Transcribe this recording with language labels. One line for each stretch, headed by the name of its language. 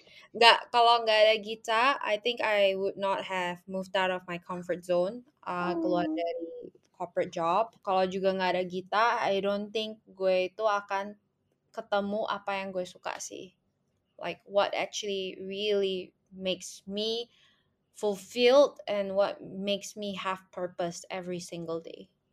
Indonesian: Nggak, kalau nggak ada Gita,
English: I think I would not have moved out of my comfort zone,
Indonesian: keluar dari
English: corporate job.
Indonesian: Kalau juga nggak ada Gita,
English: I don't think
Indonesian: gue itu akan ketemu apa yang gue suka sih.
English: Like, what actually really makes me fulfilled and what makes me have purpose every single day.